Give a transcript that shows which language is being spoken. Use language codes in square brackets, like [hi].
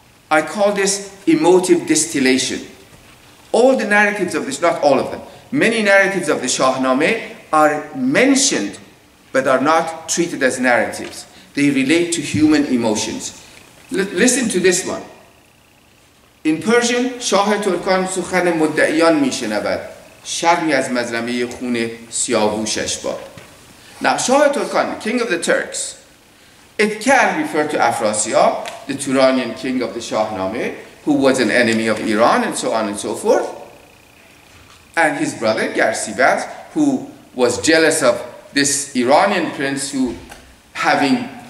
[en] I call this emotive distillation. All the narratives of this, not all of them, many narratives of the Shahnameh are mentioned but are not treated as narratives. They relate to human emotions. Listen to this one. In Persian, [fa] شاه ترکان سخن مدعیان میشنود. شرمی از مظلمه خون سیاووشش باد. [en] Now, [fa] شاه ترکان, [en] king of the Turks, it can refer to Afrasiab, the Turanian king of the Shahnameh, who was an enemy of Iran and so on and so forth, and his brother, Garsivaz, who was jealous of this Iranian prince who, having